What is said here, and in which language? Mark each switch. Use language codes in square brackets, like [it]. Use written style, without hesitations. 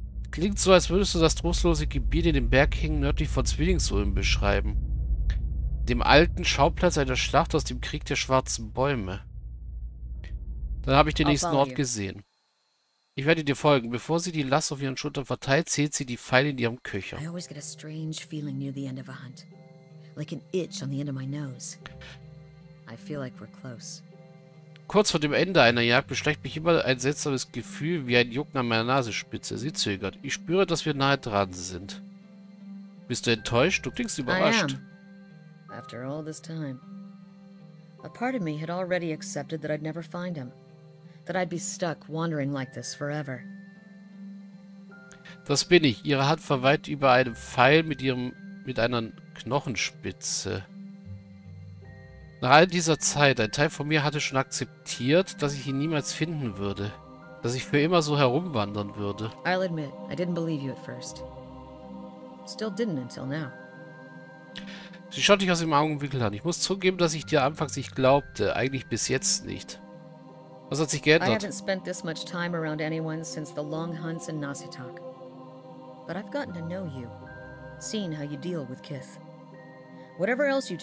[de] Klingt so, als würdest du das trostlose Gebiet in den Berghängen nördlich von Zwillingsulm beschreiben. Dem alten Schauplatz einer Schlacht aus dem Krieg der schwarzen Bäume. Dann habe ich den nächsten Ort gesehen. Ich werde dir folgen. Bevor sie die Last auf ihren Schultern verteilt, zählt sie die Pfeile in ihrem Köcher. [en] I always get a strange feeling near the end of a hunt. Like an itch on the end of my nose. I feel like we're close. [de] Kurz vor dem Ende einer Jagd beschleicht mich immer ein seltsames Gefühl wie ein Jucken an meiner Nasenspitze. Sie zögert. Ich spüre, dass wir nahe dran sind. Bist du enttäuscht? Du klingst überrascht. [en] After all this time, a part of me had already accepted that I'd never find him, that I'd be stuck wandering like this forever. [de] Das bin ich. Ihre Hand verweilt über einem Pfeil mit einer Knochenspitze. Nach all dieser Zeit, ein Teil von mir hatte schon akzeptiert, dass ich ihn niemals finden würde, dass ich für immer so herumwandern würde. [en] I'll admit, I didn't believe you at first. Still didn't until now. [de] Sie schaut dich aus dem Augenwinkel an. Ich muss zugeben, dass ich dir anfangs nicht glaubte. Eigentlich bis jetzt nicht. Was hat sich geändert? Ich habe nicht so viel Zeit mit jemandem verbracht, seit den langen Hunts in Nasitak. Aber ich habe dich kennengelernt, gesehen, wie du mit Kith umgehst.